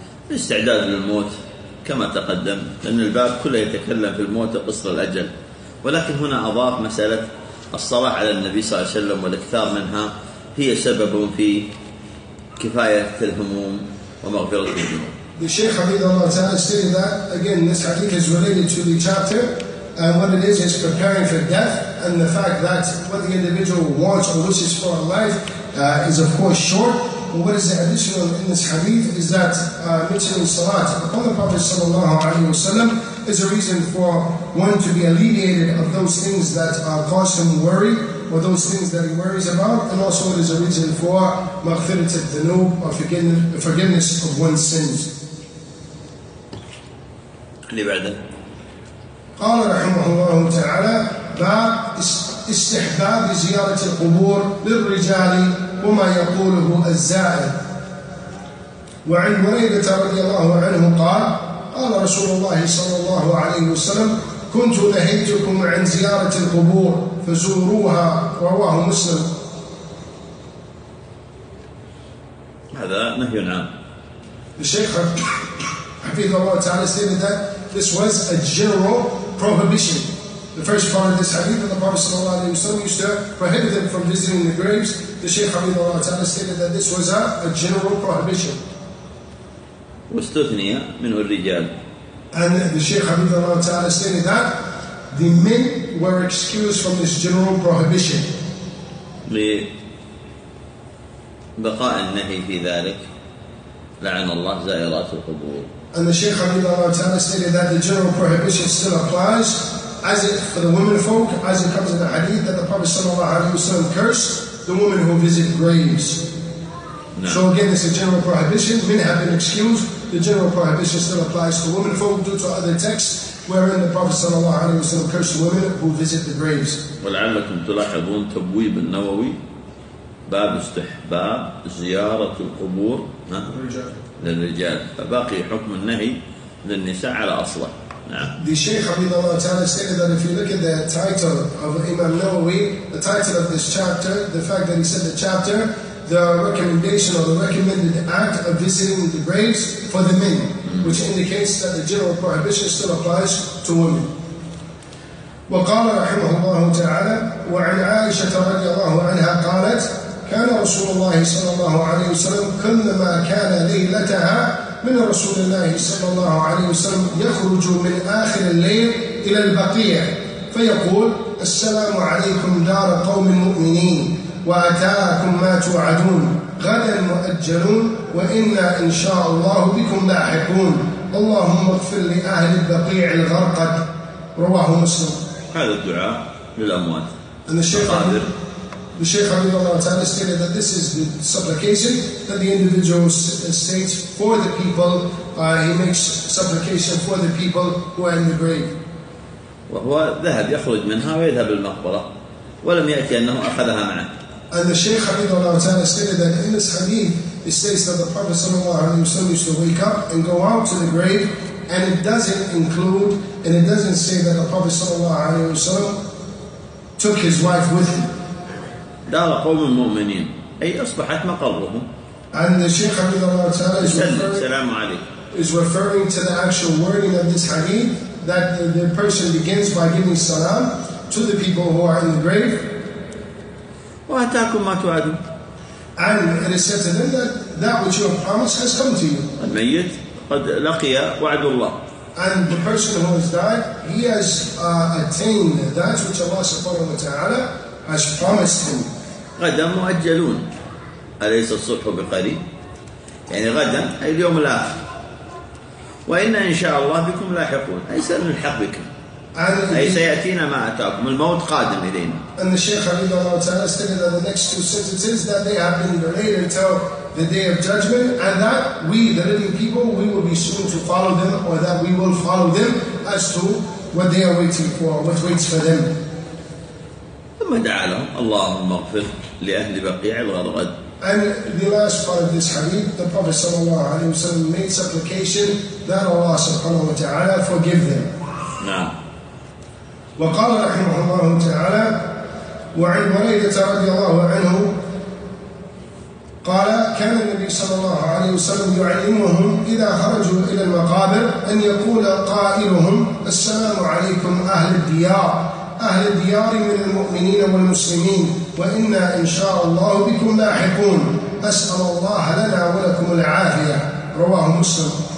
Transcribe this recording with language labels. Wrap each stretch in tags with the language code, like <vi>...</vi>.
<ar>الاستعداد للموت كما تقدم، لأن الباب كله يتكلم في الموت قصر الأجل، ولكن هنا أضاف مسألة الصلاة على النبي صلى الله عليه وسلم والاكثار منها هي سبب في كفاية الهموم ومغفرة الذنوب.</ar> <en>The Sheikh Hafidh Allah Ta'ala stated that, again, this hadith is related to the chapter, and what it is preparing for death, and the fact that what the individual wants or wishes for in life is of course short. And what is the additional in this hadith is that mentioning salat upon the Prophet sallallahu alaihi wasallam is a reason for one to be alleviated of those things that cause him worry or those things that he worries about, and also it is a reason for</en> <ar>maghfirat al-dhunub</ar> <en>or forgiveness of one's sins.</en> <ar>قال رحمه الله تعالى باب استحباب زيارة القبور للرجال وما يقوله الزائر. وعن بريدة رضي الله عنه قال قال رسول الله صلى الله عليه وسلم كنت نهيتكم عن زيارة القبور فزوروها. رواه مسلم. هذا نهي عام. الشيخ حفظه الله تعالى</ar> <en>stated that this was a general prohibition. The first part of this hadith, the Prophet sallallahu alaihi wasallam used to prohibit them from visiting the graves. The Shaykh Hafidhahullah Ta'ala stated that this was a general prohibition.</en> <ar>واستثنية منه الرجال.</ar> <en>And the Shaykh Hafidhahullah Ta'ala stated that the men were excused from this general prohibition.</en> <ar>لبقاء النهي في ذلك لعن الله زائرات القبور.</ar> <en>And the Shaykh Hafidhahullah Ta'ala stated that the general prohibition still applies. As it for the women folk, as it comes in the hadith that the Prophet sallallahu alaihi wasallam cursed the women who visit graves. No. So again, it's a general prohibition. Men have been excused. The general prohibition still applies to women folk due to other texts wherein the Prophet sallallahu alaihi wasallam cursed women who visit the graves.</en> <ar>ولعلكم تلاحظون تبويب النووي باب استحباب زيارة القبور للرجال. فباقي حكم النهي للنساء على أصله.</ar> <en>The Shaykh Hafidhahullah Ta'ala stated that if you look at the title of Imam Nawawi, the title of this chapter, the fact that he said the chapter, the recommendation or the recommended act of visiting the graves for the men, which indicates that the general prohibition still applies to women.</en> <ar>وقال رحمه الله تعالى وعن عائشة رضي الله عنها قالت كان رسول الله صلى الله عليه وسلم كلما كان ليلتها من رسول الله صلى الله عليه وسلم يخرج من آخر الليل إلى البقيع فيقول السلام عليكم دار قوم المؤمنين وأتاكم ما توعدون غدا مؤجلون وإنا إن شاء الله بكم لاحقون اللهم اغفر لأهل البقيع الغرقد. رواه مسلم. هذا الدعاء للأموات.</ar> <en>The Shaykh Hafidhahullah Ta'ala stated that this is the supplication that the individual states for the people. He makes supplication for the people who are in the grave.</en> <ar>وهو ذهب يخرج منها ويذهب المقبرة ولم يأتي أنه أخذها معه.</ar> <en>And the Shaykh Hafidhahullah Ta'ala stated that in this hadith, it states that the Prophet sallallahu alaihi wasallam used to wake up and go out to the grave, and it doesn't include and it doesn't say that the Prophet sallallahu alaihi wasallam took his wife with him.</en> <ar>دار قوم المؤمنين أي أصبحت مقرهم.</ar> <en>And the Shaykh Hafidhahullah Ta'ala is referring,</en> <ar>السلام عليك.</ar> <en>Is referring to the actual wording of this hadith that the person begins by giving salam to the people who are in the grave.</en> <ar>وأتاكم ما توعدون.</ar> <en>And it is said to them that that which you have promised has come to you.</en> <ar>الميت قد لقي وعد الله.</ar> <en>And the person who has died, he has attained that which Allah subhanahu wa ta'ala has promised him.</en> <ar>غدا مؤجلون أليس الصبح بقريب؟ يعني غدا أي اليوم الآخر. وإن إن شاء الله بكم لاحقون أي سنلحق بكم أي سيأتينا ما أتاكم الموت قادم إلينا.</ar> <en>And the Shaykh Hafidhahullah Ta'ala stated that the next two sentences that they have been delayed until the day of judgment, and that we the living people we will be soon to follow them, or that we will follow them as to what they are waiting for, what waits for them.</en> <ar>ثم دعا لهم اللهم اغفر لأهل بقيع الغرقد</ar> <en>And the last part of this hadith, the Prophet sallallahu alayhi wa sallam made supplication that Allah subhanahu wa ta'ala forgive them.</en> <ar>وقال رحمه الله تعالى وعن بريدة رضي الله عنه قال كان النبي صلى الله عليه وسلم يعلمهم إذا خرجوا إلى المقابر أن يقول قائلهم السلام عليكم أهل الديار أهل الديار من المؤمنين والمسلمين وإنا إن شاء الله بكم لاحقون أسأل الله لنا ولكم العافية رواه مسلم.</ar>